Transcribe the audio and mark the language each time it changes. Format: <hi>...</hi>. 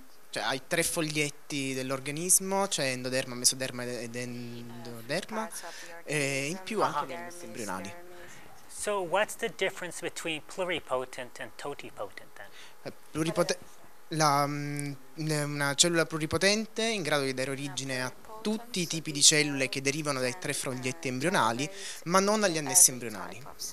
<it>Cioè ai tre foglietti dell'organismo, cioè endoderma, mesoderma ed endoderma, e in più anche gli annessi embrionali.</it> <en>So what's the difference between pluripotent and totipotent then?</en> <it>Una cellula pluripotente in grado di dare origine a tutti i tipi di cellule che derivano dai tre foglietti embrionali, ma non agli annessi embrionali.</it>